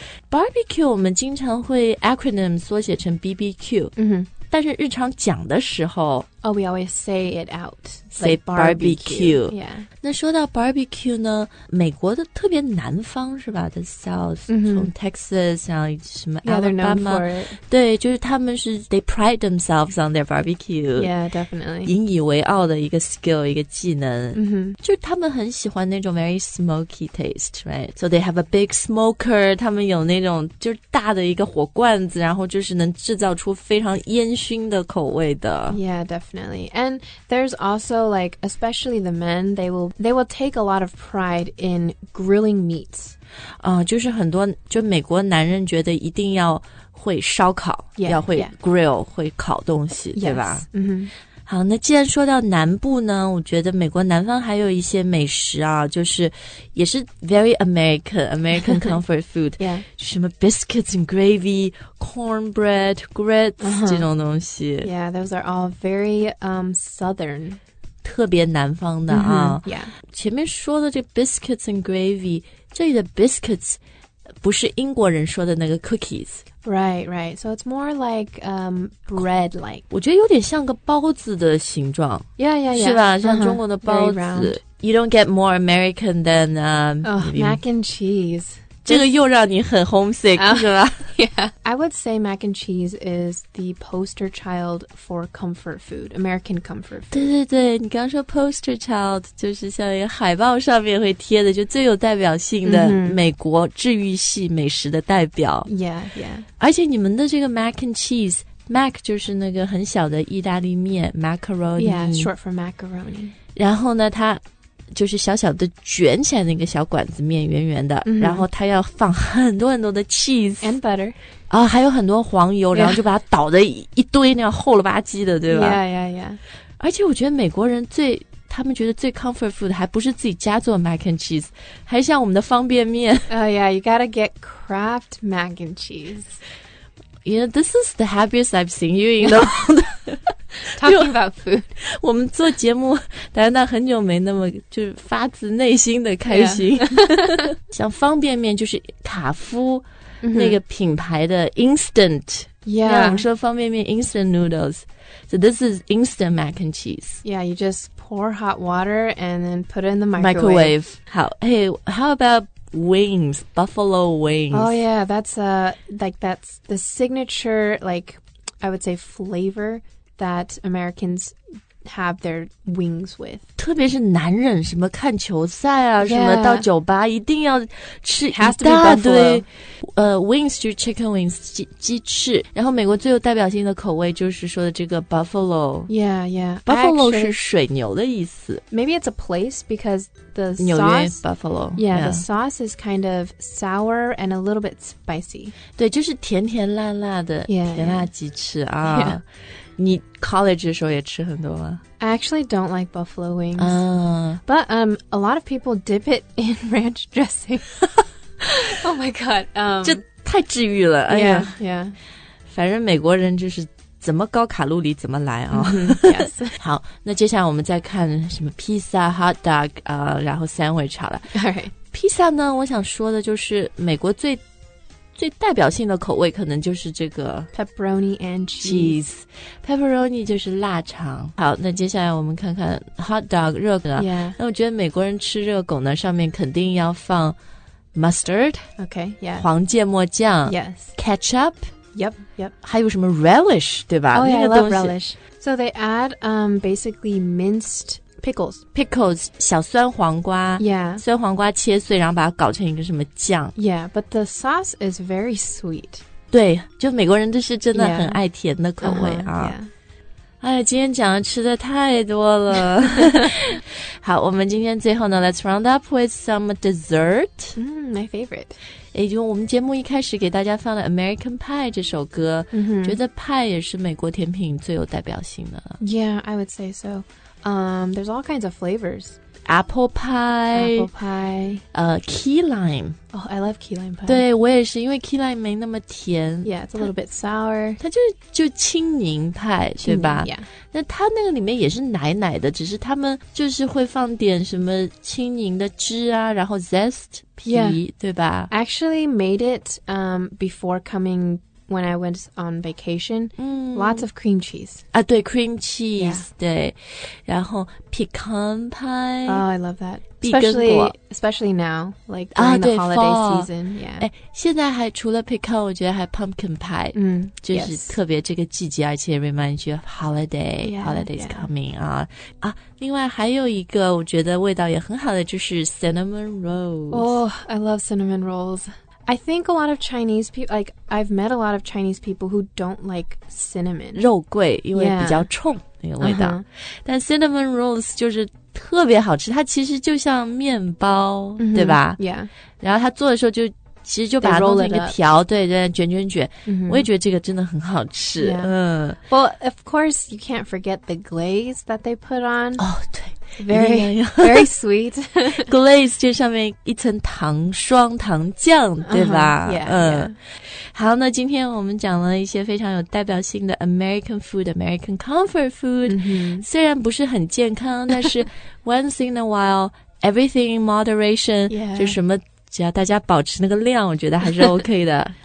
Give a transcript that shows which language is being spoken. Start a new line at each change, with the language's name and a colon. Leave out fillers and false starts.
Chinese: Barbecue 我们经常会 acronym 缩写成 BBQ、 mm-hmm. 但是日常讲的时候
English: Oh, we always say it out. Say like barbecue. Yeah.
Chinese: 那说到 barbecue 呢，美国的特别南方是吧 ？
English: The South,、 mm-hmm.
Chinese: 从 Texas 啊什么
English: yeah, Alabama，
Chinese: 对，就是他们是
English: they pride themselves on their barbecue. Yeah, definitely.
Chinese: 引以为傲的一个 skill， 一个技能。嗯哼，就是他们很喜欢那种
English: very smoky taste, right? So they have a big smoker.
Chinese: 他们有那种就是大的一个火罐子，然后就是能制造出非常烟熏的口味的。
English: Yeah, definitely. And there's also like especially the men they will take a lot of pride in grilling meats.
Chinese: 就是很多就美国男人觉得一定要会烧烤
English: yeah,
Chinese: 要会 grill、
English: yeah.
Chinese: 会烤东西
English: yes,
Chinese: 对吧、 mm-hmm. 好那既然说到南部呢我觉得美国南方还有一些美食啊就是也是
English: very American comfort food 、yeah.
Chinese: 什么 biscuits and gravy cornbread grits、uh-huh. 这种东西
English: yeah those are all very southern
Chinese: 特别南方的啊、
English: mm-hmm, yeah.
Chinese: 前面说的这 biscuits and gravy 这里的 biscuits 不是英国人说的那个 cookies
English: Right, right So it's more like bread-like
Chinese: 我觉得有点像个包子的形状
English: Yeah, yeah, yeah
Chinese: 是吧像中国的包子、 uh-huh,
English: You don't get more American than Mac and cheese
Chinese: 这个又让你很 homesick 是吧
English: Yeah. I would say mac and cheese is the poster child for comfort food, American comfort food.
Chinese: 对对对，你刚刚说 poster child 就是像一个海报上面会贴的，就最有代表性的美国治愈系美食的代表。
English: Mm-hmm. Yeah, yeah.
Chinese: 而且你们的这个 mac and cheese, mac 就是那个很小的意大利面 macaroni.
English: Yeah, short for macaroni.
Chinese: 然后呢，它就是小小的卷起来的一个小管子面圆圆的、 mm-hmm. 然后它要放很多很多的 cheese
English: and butter、
Chinese: 啊、还有很多黄油、
English: yeah.
Chinese: 然后就把它倒的一堆那样厚了吧唧的对吧
English: yeah, yeah, yeah.
Chinese: 而且我觉得美国人最他们觉得最 comfort food 还不是自己家做 mac and cheese 还像我们的方便面
English: Oh yeah, you gotta get Kraft mac and cheese You know, this is the happiest I've seen you in the world Talking about food.
Chinese: 我们做节目但是很久没那么就发自内心的开心。
English: Yeah.
Chinese: 像方便面就是卡夫那个品牌的 instant.
English: Yeah.
Chinese: 我们说方便面 instant noodles.
English: So this is instant mac and cheese. Yeah, you just pour hot water and then put it in the microwave. 好 Hey, how about wings? Buffalo wings. Oh yeah, that's like that's the signature, like I would say flavor. That Americans have their wings with.
Chinese: 特别是男人什么看球赛啊、
English: yeah.
Chinese: 什么到酒吧一定要吃一大堆
English: Has to be buffalo.
Chinese: Wings 就是 chicken wings, 鸡翅。然后美国最有代表性的口味就是说的这个 buffalo.
English: Yeah, yeah.
Chinese: Buffalo 是水牛的意思。
English: Maybe it's a place because the sauce.
Chinese: 纽约 buffalo.
English: Yeah, yeah, the sauce is kind of sour and a little bit spicy.
Chinese: 对就是甜甜辣辣的
English: yeah,
Chinese: 甜辣鸡翅啊。
English: Yeah. Yeah.
Chinese: 你 college 的时候也吃很多吗
English: I actually don't like buffalo wings、 But a lot of people dip it in ranch dressing Oh my god
Chinese: 这太治愈了、哎、
English: Yeah, yeah.
Chinese: 反正美国人就是怎么高卡路里怎么来、哦
English: mm-hmm, yes.
Chinese: 好那接下来我们再看什么 pizza, hot dog、然后 sandwich 好了
English: All right.
Chinese: Pizza 呢我想说的就是美国最代表性的口味可能就是这个
English: pepperoni and cheese.
Chinese: Pepperoni 就是腊肠。好，那接下来我们看看 hot dog 热狗。
English: Yeah.
Chinese: 那我觉得美国人吃热狗呢，上面肯定要放 mustard.
English: Okay. Yeah.
Chinese: 黄芥末酱。
English: Yes. Ketchup. Yep. Yep.
Chinese: 还有什么 relish 对吧
English: ？Oh yeah,
Chinese: 那个东西
English: I love relish. So they add basically minced. Pickles,
Chinese: 小酸黄瓜
English: Yeah
Chinese: 酸黄瓜切碎然后把它搞成一个什么酱
English: Yeah, but the sauce is very sweet
Chinese: 对就美国人都是真的很爱甜的口味、
English: yeah. uh-huh, 啊、 yeah.
Chinese: 哎呀今天讲的吃的太多了好我们今天最后呢
English: Let's round up with some dessert、 My favorite
Chinese: 也就我们节目一开始给大家放了 American Pie 这首歌、 mm-hmm. 觉得 Pie 也是美国甜品最有代表性的
English: Yeah, I would say soThere's all kinds of flavors. Apple pie. Key lime. Oh, I love key lime pie.
Chinese: 对，我也是，因为 key lime 没那么甜。
English: Yeah, it's a little bit sour.
Chinese: 它就青柠派，对吧
English: ？Yeah.
Chinese: 那它那个里面也是奶奶的，只是他们就是会放点什么青柠的汁啊，然后 zest 皮，
English: yeah.
Chinese: 对吧
English: ？Actually, made it before coming when I went on vacation,、lots of cream cheese.
Chinese: 啊对 cream cheese,、yeah. 对。然后 pecan pie.
English: Oh, I love that. Especially now, like during、the holiday、 fall. season. Yeah.
Chinese: 哎、现在还除了 pecan, 我觉得还 pumpkin pie.、就是特别这个季节而且
English: reminds you of holiday. Yeah, holiday's coming.
Chinese: 啊、啊另外还有一个我觉得味道也很好的就是 cinnamon rolls.
English: Oh, I love cinnamon rolls. I think a lot of Chinese people, like, I've met a lot of Chinese people who don't like cinnamon.
Chinese: 肉桂因为比较冲、那个味道。但 cinnamon rolls 就是特别好吃它其实就像面包、对吧
English: Yeah.
Chinese: 然后它做的时候就其实就把它弄成一个条对对卷卷卷、我也觉得这个真的很好吃。
English: Yeah. Well, of course, you can't forget the glaze that they put on.
Chinese: Oh, 对。
English: Very sweet.
Chinese: Glaze 就上面一层糖霜糖酱对吧、好那今天我们讲了一些非常有代表性的 American food, American comfort food、虽然不是很健康但是
English: once in a while, everything in moderation,、
Chinese: 就什么只要大家保持那个量我觉得还是 OK 的。